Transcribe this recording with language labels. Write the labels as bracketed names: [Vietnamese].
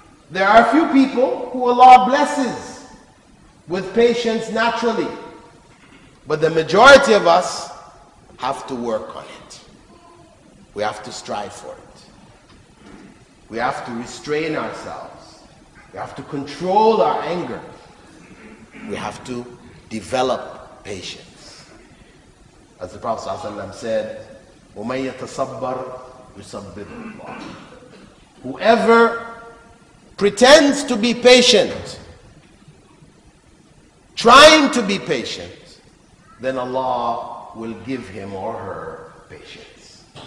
[English] There are a few people who Allah blesses with patience naturally, but the majority of us have to work on it. We have to strive for it. We have to restrain ourselves. We have to control our anger. We have to develop patience. As the Prophet ﷺ said, [Arabic] وَمَنْ يَتَصَبَّرْ يُصَبِّرْ اللَّهِ. [English] Whoever pretends to be patient, trying to be patient, then Allah will give him or her patience.